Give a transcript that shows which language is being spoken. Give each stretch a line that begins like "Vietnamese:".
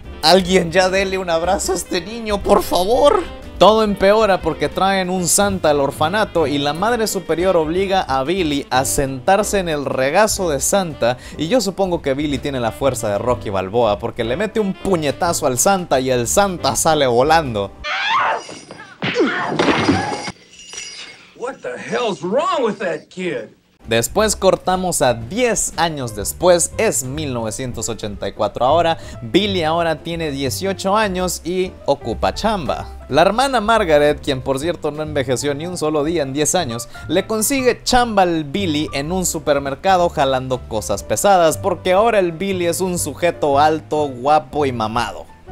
Spanish: Alguien ya dele un abrazo a este niño, por favor. Todo empeora porque traen un Santa al orfanato y la madre superior obliga a Billy a sentarse en el regazo de Santa y yo supongo que Billy tiene la fuerza de Rocky Balboa porque le mete un puñetazo al Santa y el Santa sale volando.
English: What the hell's wrong with that kid?
Spanish: Después cortamos a 10 años después, es 1984 ahora. Billy ahora tiene 18 años y ocupa chamba. La hermana Margaret, quien por cierto no envejeció ni un solo día en 10 años, le consigue chamba al Billy en un supermercado jalando cosas pesadas, porque ahora el Billy es un sujeto alto, guapo y mamado.